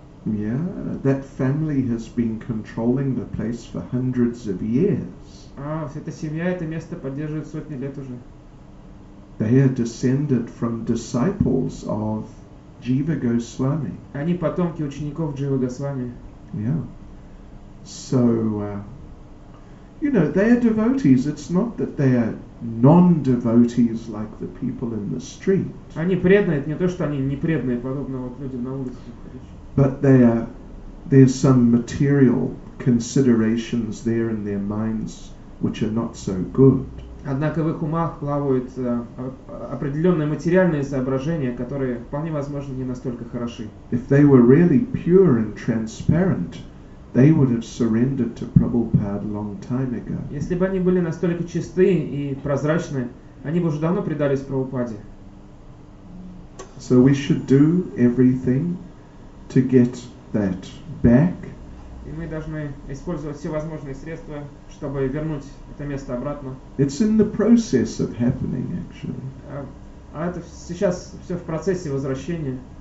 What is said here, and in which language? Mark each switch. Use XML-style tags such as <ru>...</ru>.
<en>Yeah, that family has been controlling the place for hundreds of years.</en> <ru>А, эта семья это место поддерживает сотни лет уже.</ru> <en>They are descended from disciples of Jiva Goswami.</en> <ru>Они потомки учеников Джива Госвами.</ru> <en>Yeah. So, you know, they are devotees. It's not that they are non-devotees like the people in the street.</en> <ru>Они преданные, это не то, что они не преданные, подобно вот людям на улице.</ru> <en>But there's some material considerations there in their minds which are not so good.</en> <ru>Однако в их умах плавают определенные материальные соображения, которые вполне возможно не настолько хороши.</ru> <en>If they were really pure and transparent, they would have surrendered to Prabhupada long time ago.</en> <ru>Если бы они были настолько чисты и прозрачны, они бы уже давно предались Прабхупаде.</ru> <en>So we should do everything to get that back.</en> <ru>И мы должны использовать все возможные средства, чтобы вернуть это место обратно.</ru> <en>It's in the process of happening, actually.</en> <ru>А это сейчас все в процессе возвращения.</ru>